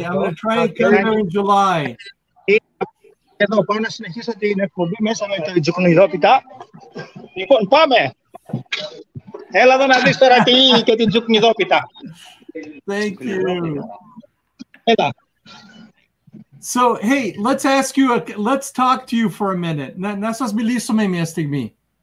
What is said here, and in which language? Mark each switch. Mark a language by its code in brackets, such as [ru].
[en] I'm gonna try and come there in July. [el] Εδώ πάμε να συνεχίσω την εκπομπή μέσα με τα τζουκνιδόπιτα. Λοιπόν, πάμε. Έλα εδώ να δεις τώρα τι είναι και την τζουκνιδόπιτα. [en] Thank you. [el] Έλα. [en] So, hey, let's talk to you for a minute. [el] Να σας μιλήσουμε μια στιγμή.